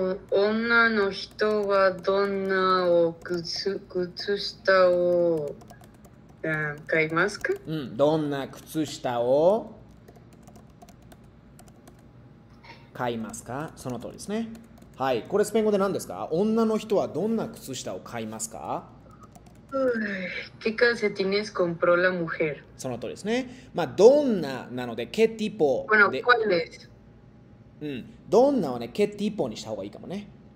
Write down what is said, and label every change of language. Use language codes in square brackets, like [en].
[ja] 女の人はどんな靴下を買いますか？どんな靴下を買いますか？その通りですね。はい、これスペイン語で何ですか？女の人はどんな靴下を買いますか？ [es] ¿Qué calcetines compró la mujer? [ja] その通りですね。まあ、どんななので、 [es] ¿qué tipo? Bueno, ¿cuál es? [ja] うん、どんなはね、 [es] ¿qué tipo? [ja] にした方がいいかもね。